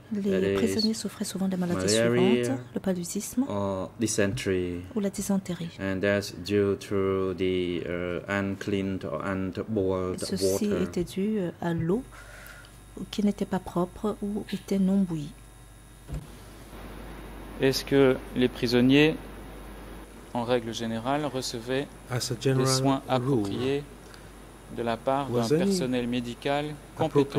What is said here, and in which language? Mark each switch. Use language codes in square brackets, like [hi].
[fr] Les prisonniers souffraient souvent des maladies suivantes, le paludisme, [en] or dysentery, [fr] ou la dysenterie. [en] And that's due to the unclean or unboiled water. [fr] Ceci était dû à l'eau qui n'était pas propre ou était non bouillie. Est-ce que les prisonniers en règle générale, recevait des soins appropriés de la part d'un personnel médical compétent.